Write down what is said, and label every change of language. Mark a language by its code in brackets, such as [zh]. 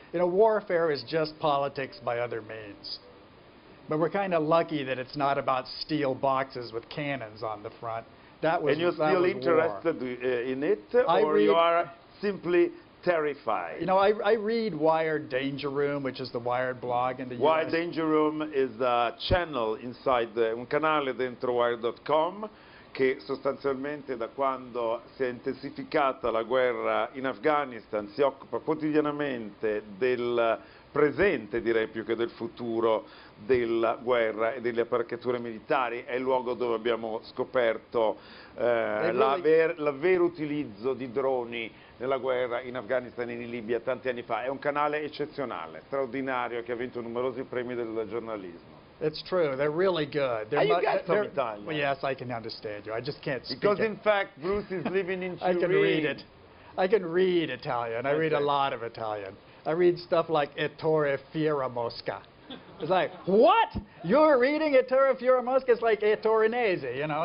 [en] You know, warfare is just politics by other means. But we're kind of lucky that it's not about steel boxes with cannons on the front. That was war. And you're still interested in it, or you are simply terrified? You know, I read Wired Danger Room, which is the Wired blog in the U.S. Wired Danger Room is a channel inside the [it] un canale dentro Wired.com che sostanzialmente da quando si è intensificata la guerra in Afghanistan si occupa quotidianamente del presente, direi più che del futuro, della guerra e delle apparecchiature militari. È il luogo dove abbiamo scoperto l'avvero utilizzo di droni nella guerra in Afghanistan e in Libia tanti anni fa. È un canale eccezionale, straordinario, che ha vinto numerosi premi del giornalismo. [en] It's true. They're really good. Are you guys from Italia? Well, yes, I can understand you. I just can't speak because it. In fact, Bruce is living in Turin. I can read it. I can read Italian. Okay. I read a lot of Italian. I read stuff like Ettore Fiera Mosca. It's like, what? You're reading Ettore Fiera Mosca? It's like Ettorinese, you know?